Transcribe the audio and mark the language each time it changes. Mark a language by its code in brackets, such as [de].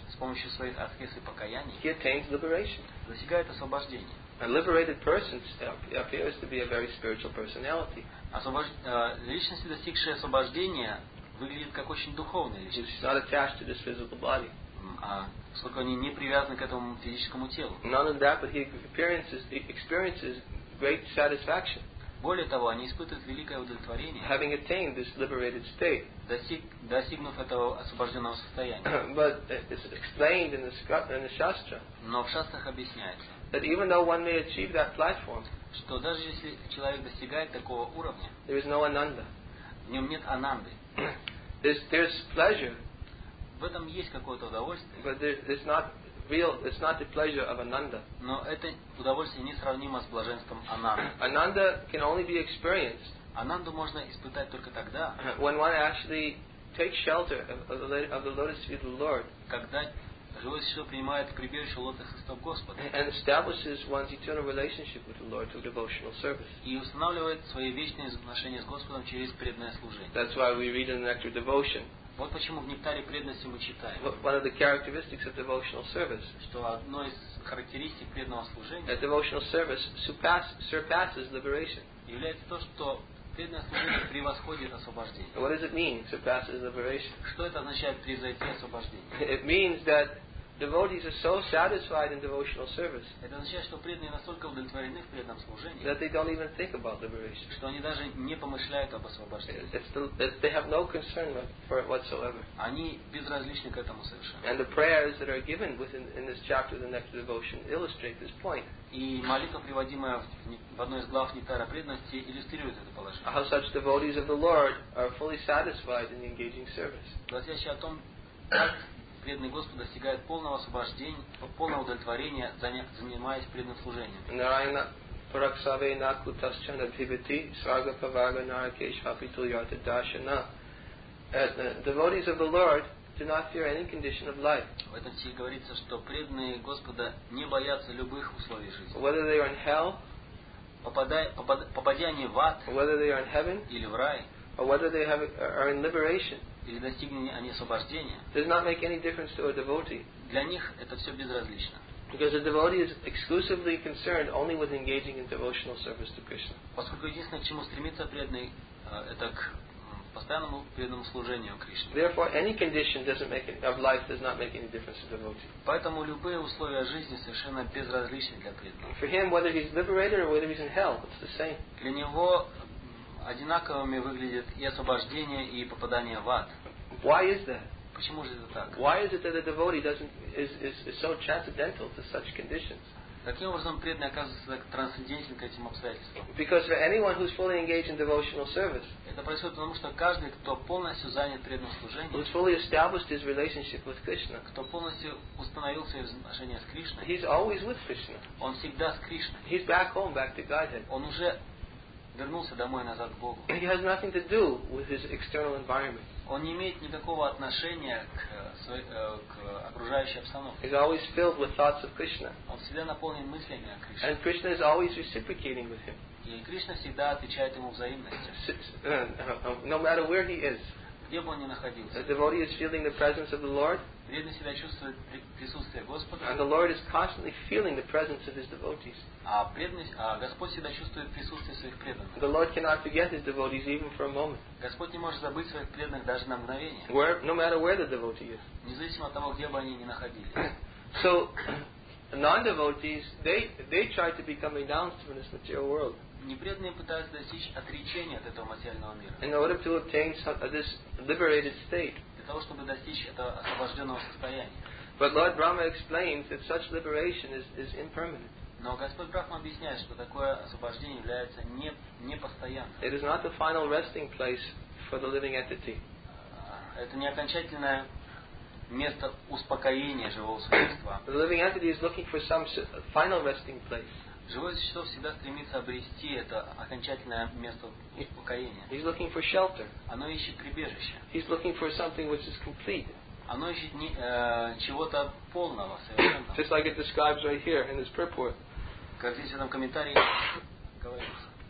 [ru] С помощью своих аскез и покаяний. [en] He attains liberation. [ru] Достигает освобождения. [en] A liberated person appears to be a very spiritual personality. [ru] Личности, достигшие освобождения, выглядит как очень духовная личность. [en] He's not attached to this physical body. [ru] Сколько они не привязаны к этому физическому телу. [en] None of that, but he experiences great satisfaction. [ru] Более того, они испытывают великое удовлетворение. [en] Having attained this liberated state. [ru] Достигнув этого освобожденного состояния. [en] But it's explained in the shastra. [ru] Но в шастрах объясняется. [en] That even though one may achieve that platform. [ru] Что даже если человек достигает такого уровня. [en] There is no ananda. [ru] В нем нет ананды. [en] There's pleasure. [ru] В этом есть какое-то удовольствие. [en] But it's not real. It's not the pleasure of Ananda. [ru] Но это удовольствие несравнимо с блаженством Ананды. [en] Ananda can only be experienced. [ru] Ананду можно испытать только тогда. [en] When one actually takes shelter of the lotus feet of the Lord. [ru] Когда живое существо принимает прибежище лотосных стоп Господа. [en] And establishes one's eternal relationship with the Lord through devotional service. [ru] И устанавливает свои вечные отношения с Господом через преданное служение. [en] That's why we read in the Nectar of Devotion. [ru] Вот почему в Нектаре преданности мы читаем. [en] One of the characteristics of devotional service. [ru] Что одно из характеристик преданного служения. [en] That devotional service surpasses liberation. [ru] Является то, что преданное служение превосходит освобождение. [en] What does it mean? Surpasses liberation. [ru] Что это означает превзойти освобождение? [en] It means that devotees are so satisfied in devotional service. [ru] Это означает, что преданные настолько удовлетворены в преданном служении. [en] That they don't even think about liberation. [ru] Что они даже не помышляют об освобождении. [en] They have no concern for it whatsoever. [ru] Они безразличны к этому совершенно. [en] And the prayers that are given within in this chapter, the Nectar Devotion, illustrate this point. [ru] И молитва, приводимая в одной из глав Нектара преданности, иллюстрирует это положение. [en] How such devotees of the Lord are fully satisfied in the engaging service. [ru] Говорящий о том, как преданный Господь достигает полного освобождения, полного удовлетворения, занимаясь преданным служением. Нарайна Параксаве Наку Тасчана Бхивати Сарга Павага Наракеш Хапиту Ярта Дашана. [en] Devotees of the Lord do not fear any condition of life. [ru] В этом стихе говорится, что преданные Господа не боятся любых условий жизни. [en] Whether they are in hell, [ru] попадя они в ад, [en] whether they are in heaven, [ru] или в рай, [en] or whether they have are in liberation, [ru] или достигли они освобождения, [en] does not make any difference to a devotee. [ru] Для них это все безразлично. [en] Because a devotee is exclusively concerned only with engaging in devotional service to Krishna. [ru] Поскольку единственное, к чему стремится преданный, это к постоянному преданному служению Кришне. [en] Therefore, any condition doesn't make it, of life does not make any difference to the devotee. [ru] Поэтому любые условия жизни совершенно безразличны для преданного. [en] For him, whether he's liberated or whether he's in hell, it's the same. [ru] Для него одинаковыми выглядят и освобождение, и попадание в ад. [en] Why is that? [ru] Почему же это так? [en] Why is it that a devotee doesn't is so transcendental to such conditions? [ru] Каким образом преданный оказывается так трансцендентен к этим обстоятельствам? [en] Because for anyone who's fully engaged in devotional service, [ru] это происходит потому, что каждый, кто полностью занят преданным служением, [en] who's fully established his relationship with Krishna, [ru] кто полностью установил свои отношения с Кришной, [en] he's always with Krishna. [ru] Он всегда с Кришной. [en] He's back home, back to Godhead. [ru] Он уже вернулся домой, назад к Богу. [en] He has nothing to do with his external environment. [ru] Он не имеет никакого отношения к окружающей обстановке. [en] He's always filled with thoughts of Krishna. [ru] Он всегда наполнен мыслями о Кришне. [en] And Krishna is always reciprocating with him. [ru] И Кришна всегда отвечает ему взаимностью. [en] No matter where he is. [ru] Где бы он ни находился. [en] The devotee is feeling the presence of the Lord. [ru] Преданный всегда чувствует присутствие Господа. [en] And the Lord is constantly feeling the presence of his devotees. [ru] А Господь всегда чувствует присутствие своих преданных. [en] The Lord cannot forget his devotees even for a moment. [ru] Господь не может забыть своих преданных даже на мгновение. [en] Where, no matter where the devotee is. [ru] Независимо от того, где бы они ни находились. [en] So, non-devotees, they try to become renounced from this material world. [ru] Непреданные пытаются достичь отречения от этого материального мира. [en] In order to obtain this liberated state. [ru] Для того, чтобы достичь этого освобожденного состояния. [en] But Lord Brahma explains that such liberation is impermanent. [ru] Но Господь Брахма объясняет, что такое освобождение является непостоянным. [en] It is not the final resting place for the living entity. [ru] Это не окончательное место успокоения живого существа. [en] The living entity is looking for some final resting place. [ru] Живое существо всегда стремится обрести это окончательное место успокоения. [en] He's looking for shelter. [ru] Оно ищет прибежище. [en] He's looking for something which is complete. [ru] Оно ищет чего-то полного, совершенно. [en] Just like it describes right here in this purport. [ru] Как здесь в этом комментарии говорится.